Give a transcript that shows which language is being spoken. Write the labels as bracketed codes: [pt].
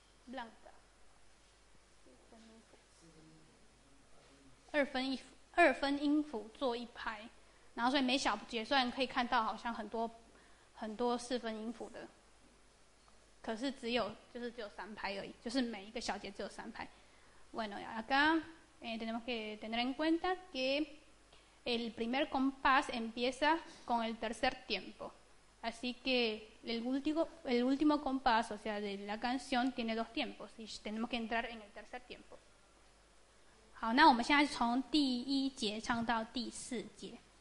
[zh] blank 四分一步二分音符做一拍，然后所以每小节虽然可以看到好像很多很多四分音符的，可是只有就是只有三拍而已，就是每一个小节只有三拍。 [es] Bueno, acá tenemos que tener en cuenta que el primer compás empieza con el tercer tiempo, así que el último compás, o sea, de la canción tiene dos tiempos y tenemos que entrar en el tercer tiempo. [zh] 好，那我们现在从第一节唱到第四节。